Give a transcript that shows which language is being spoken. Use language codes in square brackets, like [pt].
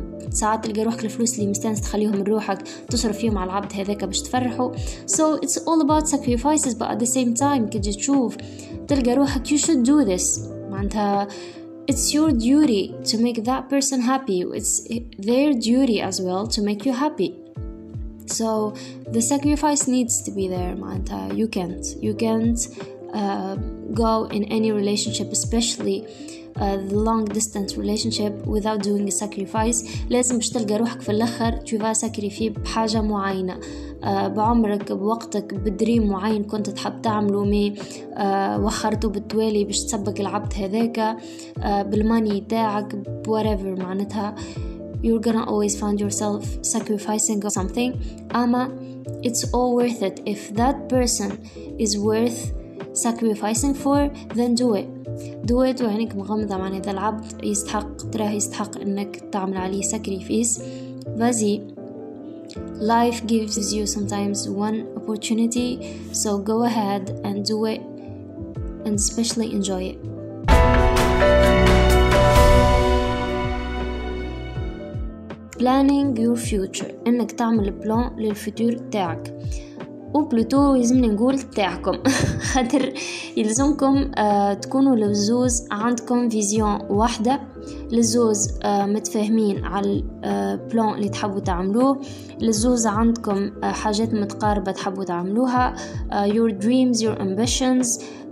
[ar] ساعات تلقى روحك الفلوس اللي مستانس تخليهم لروحك تصرف فيهم على العبد هذاك باش تفرحه [en] so it's all about sacrifices but at the same time [ar] كي تجي تشوف تلقى روحك [en] you should do this معناتها it's your duty to make that person happy it's their duty as well to make you happy So the sacrifice needs to be there, Manta. You can't go in any relationship, especially the long distance relationship, without doing a sacrifice. [ar] لازم باش تلقى روحك في الاخر تشوف ساكريفي بحاجة معينة بعمرك بوقتك بدريم معين كنت تحب تعمله مي وخرته بالتوالي باش تسبق العبد هذاك بالماني تاعك whatever معناتها [en] You're gonna always find yourself sacrificing something. Ama, it's all worth it. If that person is worth sacrificing for, then do it. Do it [ar] وعينك مغمضة معنى إذا العبد يستحق تراه يستحق إنك تعمل عليه sacrifice. [en] بزي, life gives you sometimes one opportunity. So go ahead and do it and especially enjoy it. planning your future [ar] انك تعمل بلان للفيتور تاعك وبلوتو يلزم نقول تاعكم خاطر يلزمكم تكونوا للزوز عندكم فيزيون واحده للزوز متفاهمين على البلان اللي تحبوا تعملوه للزوز عندكم حاجات متقاربه تحبوا تعملوها [en] your dreams your ambitions